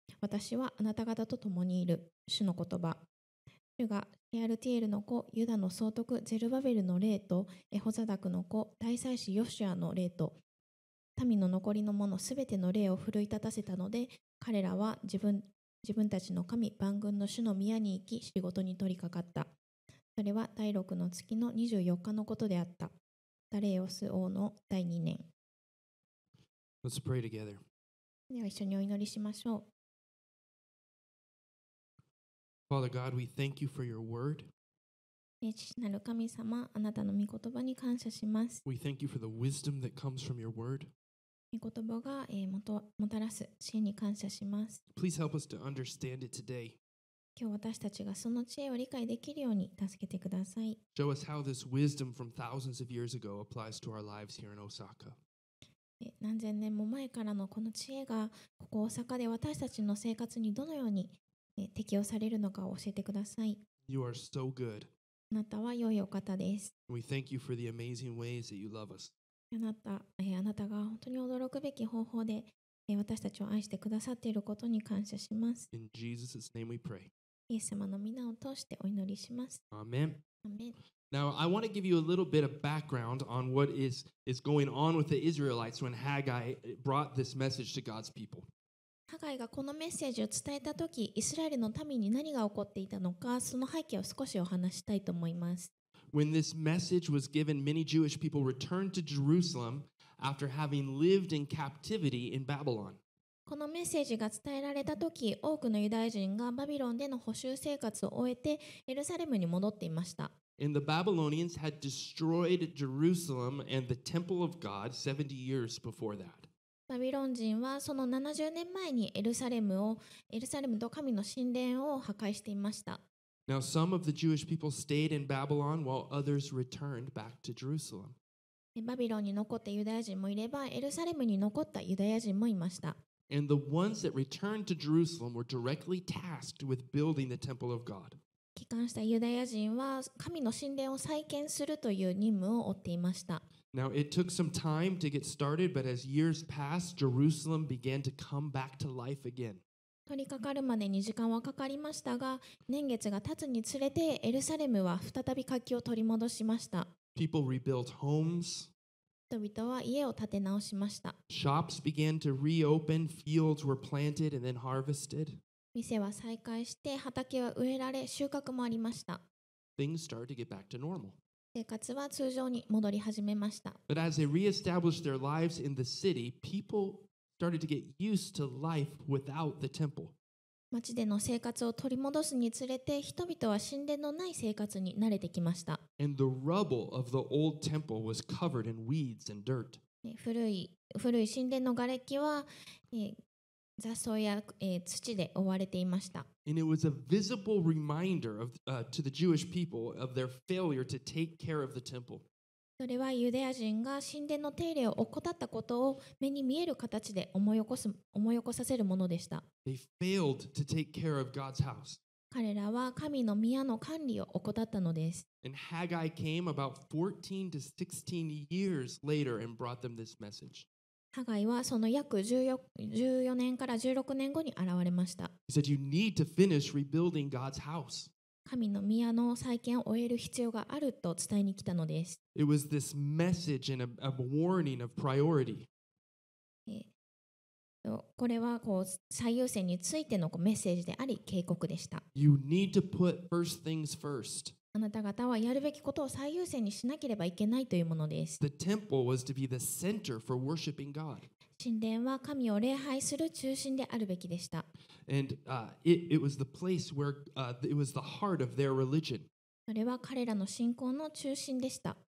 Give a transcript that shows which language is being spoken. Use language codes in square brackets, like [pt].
[ja] 私はあなた方と共にいる。主の言葉。主がシェアルティエルの子ユダの総督ゼルバベルの霊とエホザダクの子大祭司ヨシュアの霊と民の残りの者すべての霊を奮い立たせたので、彼らは自分たちの神万軍の主の宮に行き仕事に取り掛かった。それは第6の月の24日のことであった。ダレイオス王の第2年。 [en] Let's pray together. [ja] では一緒にお祈りしましょう。 [en] Father God, we thank you for your word. [ja] 父なる神様、あなたの御言葉に感謝します。 [en] We thank you for the wisdom that comes from your word. [ja] 御言葉が、もたらす知恵に感謝します。 [en] Please help us to understand it today. [ja] 今日私たちがその知恵を理解できるように助けてください。 [en] Show us how this wisdom from thousands of years ago applies to our lives here in Osaka. [ja] 何千年も前からのこの知恵がここ大阪で私たちの生活にどのように適用されるのかを教えてください。 [en] You are so good. [ja] あなたは良いお方です。 [en] We thank you for the amazing ways that you love us. [ja] あなたが本当に驚くべき方法で私たちを愛してくださっていることに感謝します。 [en] In Jesus' name we pray. [ja] イエス様の名を通してお祈りします。 [en] Amen. Amen. Now I want to give you a little bit of background on what is going on with the Israelites when Haggai brought this message to God's people. [ja] ハガイがこのメッセージを伝えたとき、イスラエルの民に何が起こっていたのか、その背景を少しお話したいと思います。 [en] When this message was given, many Jewish people returned to Jerusalem after having lived in captivity in Babylon. [ja] このメッセージが伝えられた時、多くのユダヤ人がバビロンでの捕囚生活を終えてエルサレムに戻っていました。 [en] And the Babylonians had destroyed Jerusalem and the temple of God 70 years before that. [ja] バビロン人はその70年前にエルサレムと神の神殿を破壊していました。 [en] Now some of the Jewish people stayed in Babylon while others returned back to Jerusalem. [ja] バビロンに残ったユダヤ人もいれば、エルサレムに残ったユダヤ人もいました。 [en] And the ones that returned to Jerusalem were directly tasked with building the temple of God. [ja] 帰還したユダヤ人は神の神殿を再建するという任務を負っていました。 [en] Now it took some time to get started, but as years passed, Jerusalem began to come back to life again. [ja] 取りかかるまでに時間はかかりましたが、年月が経つにつれてエルサレムは再び活気を取り戻しました。 [en] People rebuilt homes. [ja] 人々は家を建て直しました。 [en] Shops began to reopen, fields were planted and then harvested. [ja] 店は再開して畑は植えられ収穫もありました。 [en] Things started to get back to normal. [ja] 生活は通常に戻り始めました。 [en] But as they reestablished their lives in the city, people started to get used to life without the temple. [ja] 町での生活を取り戻すにつれて人々は神殿のない生活に慣れてきました。 [en] And the rubble of the old temple was covered in weeds and dirt. [ja] 古い神殿の瓦礫は雑草や、土で覆われていました。 [en] And it was a visible reminder of, to the Jewish people of their failure to take care of the temple. [ja] それはユダヤ人が神殿の手入れを怠ったことを目に見える形で思い起こさせるものでした。 [en] They failed to take care of God's house. [ja] 彼らは神の宮の管理を怠ったのです。 [en] And Haggai came about 14 to 16 years later and brought them this message. [ja] ハガイはその約14年から16年後に現れました。 [en] He said, you need to finish rebuilding God's house. [ja] 神の宮の再建を終える必要があると伝えに来たのです。 [en] It was this message and a warning of priority. [ja] これはこう最優先についてのメッセージであり警告でした。 [en] You need to put first things first. [ja] あなた方はやるべきことを最優先にしなければいけないというものです。 [en] The temple was to be the center for worshiping God. [ja] 神殿は神を礼拝する中心であるべきでした。 [en] And it was the place where it was the heart of their religion. [ja] それは彼らの信仰の中心でした。